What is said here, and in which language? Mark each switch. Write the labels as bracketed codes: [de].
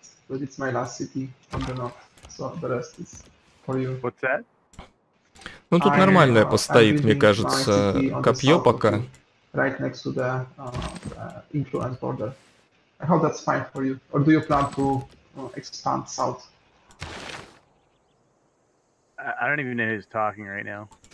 [en] But it's my last city from the north, so the rest is for you. What's that? [ru] Ну тут нормальное постоит, мне кажется, копье пока. [en] Right next to the influence border. I hope that's fine for you. Or do you plan to expand south? I don't even know who's talking right now.